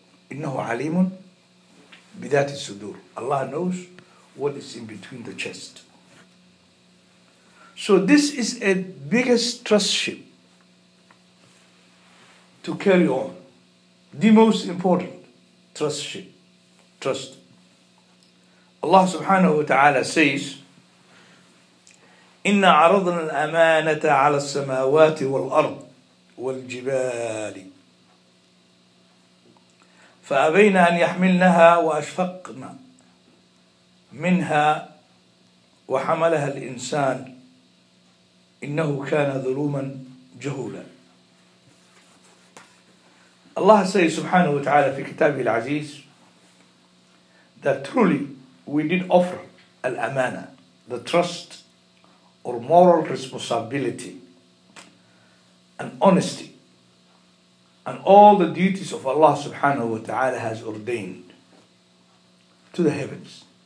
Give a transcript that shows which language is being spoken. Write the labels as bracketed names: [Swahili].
[Arabic] إِنَّهُ عَلِيمٌ بِذَاتِ السُّدُورِ. [English] Allah knows what is in between the chest. So this is a biggest trustship to carry on. The most important trustship. Trust. [Arabic] Allah subhanahu wa ta'ala [English] says, [Arabic] إِنَّ عَرَضْنَا الْأَمَانَةَ عَلَى السَّمَاوَاتِ وَالْأَرْضِ وَالْجِبَالِ فأبين أن يحملنها وأشفقنا منها وحملها الإنسان إنه كان ظلوما جهولا. [English] الله says [Arabic] سبحانه وتعالى في كتابه العزيز [English] that truly we did offer الأمانة, the trust or moral responsibility and honesty and all the duties of Allah subhanahu wa ta'ala has ordained to the heavens.